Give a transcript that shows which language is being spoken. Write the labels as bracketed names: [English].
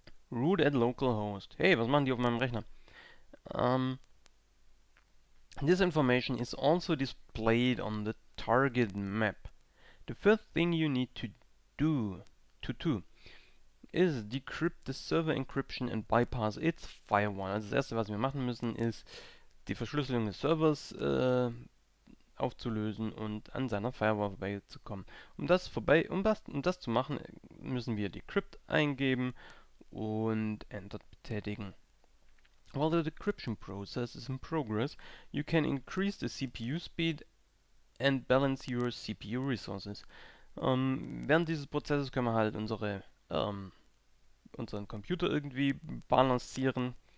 [German] Root at localhost. Hey, was machen die auf meinem Rechner? [English] This information is also displayed on the target map. The first thing you need to do. Is decrypt the server encryption and bypass its firewall. [German] Also das erste, was wir machen müssen, ist die Verschlüsselung des Servers aufzulösen und an seiner Firewall vorbeizukommen. Um das zu machen, müssen wir decrypt eingeben und Enter betätigen. [English] While the decryption process is in progress, you can increase the CPU speed and balance your CPU resources. [German] Während dieses Prozesses können wir halt unseren Computer irgendwie balancieren.